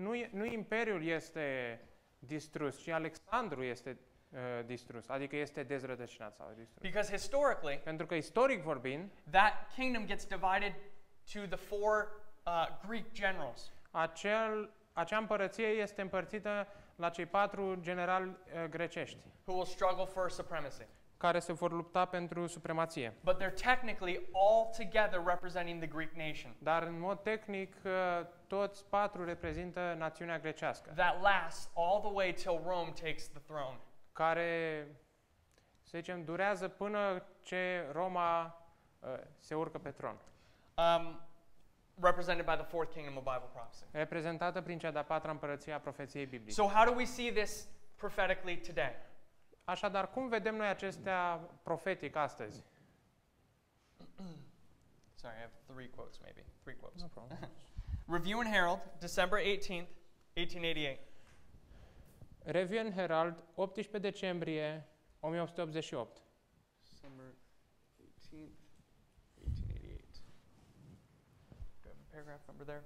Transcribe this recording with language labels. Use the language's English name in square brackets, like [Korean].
[Romanian] Nu imperiul este distrus, ci Alexandru este distrus, adică este dezrădăcinat sau distrus. [English] Because historically, [Romanian] pentru că istoric vorbind, [English] that kingdom gets divided to the four Greek generals. [Romanian] Acea împărăție este împărțită la cei patru generali grecești. [English] Who will struggle for supremacy. [Romanian] Care se vor lupta pentru supremație. [English] But they're technically all together representing the Greek nation. [Romanian] Dar în mod tehnic toți patru reprezintă națiunea grecească. [English] That lasts all the way till Rome takes the throne. [Romanian] Care, să zicem, durează până ce Roma se urcă pe tron. [English] Represented by the fourth kingdom of Bible prophecy. [Romanian] Reprezentată prin cea de-a patra împărăție a profeției biblice. [English] So how do we see this prophetically today? [Romanian] Așadar, cum vedem noi acestea profetic astăzi? [English] Sorry, I have three quotes maybe. Three quotes. No problem. Review and Herald, December 18th, 1888. [Romanian] Review and Herald, 18 decembrie 1888. [English] December 18th, 1888. Got a paragraph number there?